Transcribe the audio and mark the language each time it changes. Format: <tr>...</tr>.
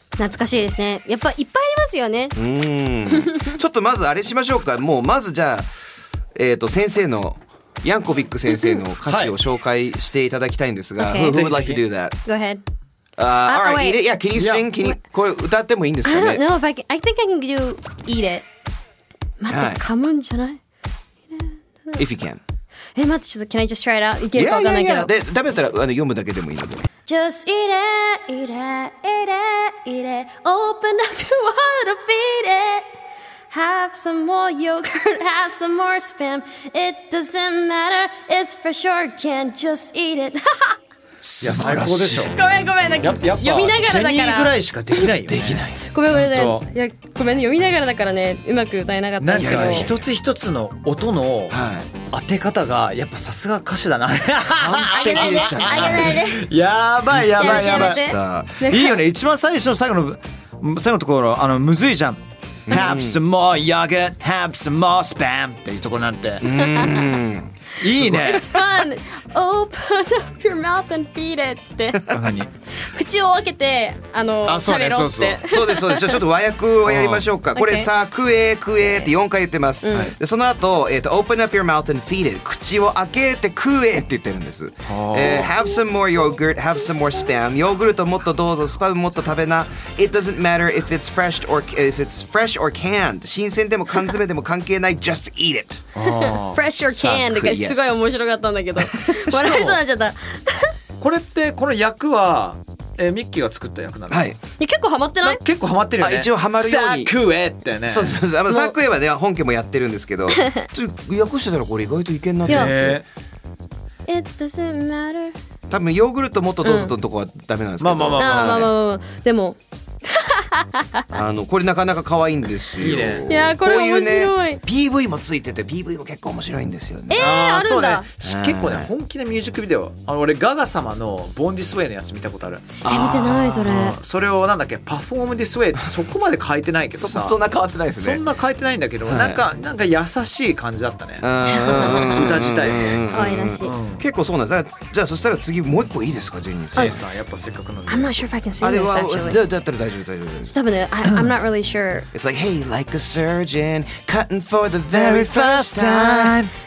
<ja>懐かしいですねやっぱいっぱいありますよねちょっとまずあれしましょうかもうまずじゃあ先生のヤンコビック先生の歌詞を紹介していただきたいんですが、はい、</ja> <en>Who would like to do that? Go ahead. Alright, eat it. Yeah, can you sing? Can you,</en> <ja>これ歌ってもいいんですかね</ja> <en>I don't know if I can. I think I can do eat it.</en> <ja>待って、噛むんじゃない</ja> <en>If you can.</en> <ja>待って、ちょっと、</ja> <en>can I just try it out?</en> <ja>いけるか分かんないけど。で、ダメだったら読むだけでもいいので。</ja> <en>Just eat it, eat it, eat it, eat it. Open up your water, feed it. Have some more yogurt, have some more spam. It doesn't matter, it's fresh or canned. Just eat it.</en> <ja>いや最高でしょ。ごめんごめん、なんか読みながらだから。ジェニーぐらいしかできないよ、ね。できない。ごめんごめん、ね、いやごめん、ね、読みながらだからね、うまく歌えなかったんですけど。一つ一つの音の当て方がやっぱさすが歌手だな。あげないで、あげないで。やばいやばいやばい。いいよね、一番最初の最後の最後のところ、あのむずいじゃん。</ja> <en>Have some more yogurt, have some more spam</en> <ja>っていうところなんて。いいね。</ja> <en>It's fun. Open up your mouth and feed it.</en> <ja>って。何？口を開けて、あの、あ、そうね、そうそう。そうです、そうです。じゃあちょっと和訳をやりましょうか。これさ、クエクエって4回言ってます。はい、でその後、</ja> <en>Open up your mouth and feed it.</en> <ja>口を開けてクエって言ってるんです。</ja> <en>Have some more yogurt, have some more spam.</en> <ja>ヨーグルトもっとどうぞ、スパムもっと食べな。</ja> <en>It doesn't matter if it's fresh or, if it's fresh or canned.</en> <ja>新鮮でも缶詰でも関係ない。</ja> <en>Just eat it. Fresh or canned.</en> <ja>すごい面白かったんだけど笑いそうになっちゃった。これってこの役は、ミッキーが作った役なの、はい、結構ハマってない、結構ハマってるよね、あ一応ハマるようにサクエってね、そうそうそう、サクエはね本家もやってるんですけど、ちょ訳してたらこれ意外といけんなって</ja> <en>。 It doesn't matter、</en> <ja>多分ヨーグルトもっとどうぞとのとこはダメなんですけど、うん、まあまあまあまあまあ、でもあのこれなかなか可愛いんですよ。いいね。いやこれ面白い。こういうね、 PV もついてて PV も結構面白いんですよね。あるんだ。そうね、結構ね本気のミュージックビデオ。あの俺ガガ様のボーンディスウェイのやつ見たことある。見てないそれ。それをなんだっけパフォームディスウェイってそこまで変えてないけどさ。そんな変わってないですね。そんな変えてないんだけど、はい、なんか優しい感じだったね。歌自体、ね。可愛らしい。結構そうなんです。じゃあそしたら次もう一個いいですかジェニーさん。ジェニーさんやっぱせっかくなんで。</ja> <en>I'm not sure if I can sing this actually。</en> <ja>あれはだったら大丈夫大丈夫。</ja> <en>I'm not really sure. It's like, hey, like a surgeon cutting for the very first time.</en>